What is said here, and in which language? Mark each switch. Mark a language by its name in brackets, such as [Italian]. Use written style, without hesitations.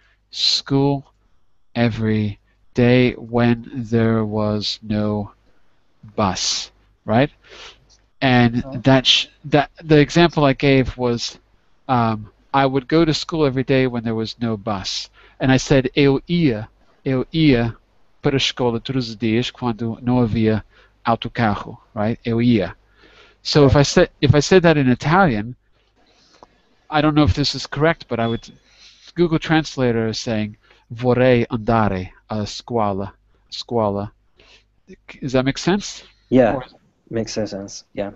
[English] school every day when there was no bus, right? And the example I gave was, I would go to school every day when there was no bus. And I said, [Portuguese] eu ia para a escola todos os dias quando não havia autocarro, [English] right? [Portuguese] Eu ia. [English] So if I said that in Italian, I don't know if this is correct, but I would, Google Translator is saying, [Italian] vorrei andare a scuola, scuola. [English] Does that make sense? Yeah, makes sense, yeah.